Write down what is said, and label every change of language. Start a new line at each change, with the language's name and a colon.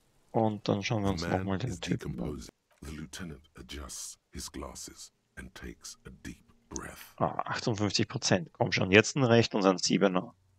German: Und dann schauen wir uns nochmal den Typen an.
English: The lieutenant adjusts his glasses and takes a deep breath.
German: Ah, 58%. Komm schon, jetzt ein Recht und ein Siebener.